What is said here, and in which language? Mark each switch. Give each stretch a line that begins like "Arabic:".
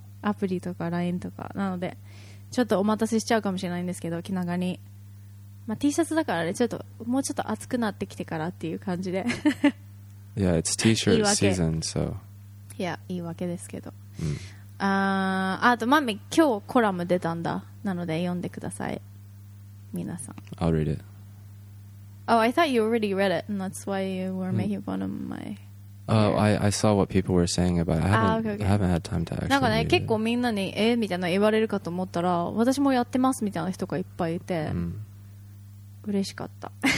Japanese: アプリとか LINE とかなので、ちょっとお待たせしちゃうかもしれないんですけど、気長に、まあ、T シャツだからね、ちょっともうちょっと暑くなってきてからっていう感じで。いや、
English: yeah, it's T-shirt season, so.
Japanese: いや、言い訳ですけど、うん。あとマミ今日コラム出たんだ、なので読んでください、皆さん。
English: I'll read it. Oh, I thought you already read it, and that's why you were making fun of my I saw what people were saying about it. I haven't had time to actually read it.
Japanese: なんかね、結構みんなにえみたいな言われるかと思ったら、私もやってますみたいな人がいっぱいいて、嬉しかった。